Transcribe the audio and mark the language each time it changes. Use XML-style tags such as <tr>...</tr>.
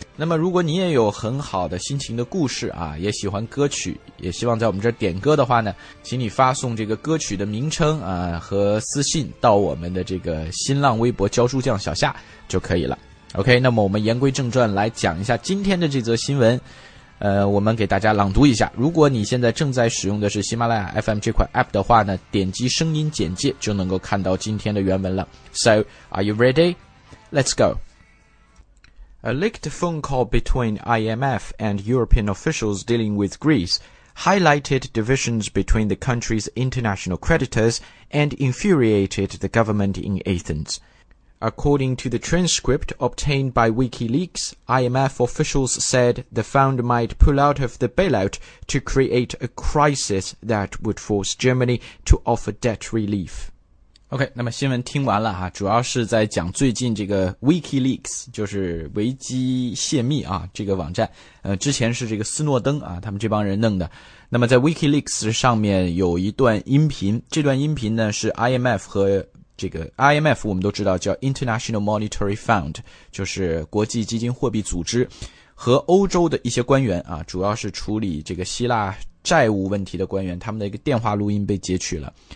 <zh>那么如果你也有很好的心情的故事啊，也喜欢歌曲，也希望在我们这儿点歌的话呢，请你发送这个歌曲的名称啊和私信到我们的这个新浪微博教书匠小夏就可以了。 OK, 那么我们言归正传，来讲一下今天的这则新闻。我们给大家朗读一下。如果你现在正在使用的是喜马拉雅 FM 这款 APP 的话呢，点击声音简介就能够看到今天的原文了。</zh> <en>So, are you readyLet's go. A leaked phone call between IMF and European officials dealing with Greece highlighted divisions between the country's international creditors and infuriated the government in Athens. According to the transcript obtained by WikiLeaks, IMF officials said the fund might pull out of the bailout to create a crisis that would force Germany to offer debt relief.</en> <zh>OK, 那么新闻听完了啊，主要是在讲最近这个 WikiLeaks, 就是维基泄密啊这个网站之前是这个斯诺登啊他们这帮人弄的。那么在 WikiLeaks 上面有一段音频，这段音频呢是 IMF 和这个 IMF 我们都知道叫 International Monetary Fund， 就是国际基金货币组织和欧洲的一些官员啊，主要是处理这个希腊债务问题的官员，他们的一个电话录音被截取了。</zh>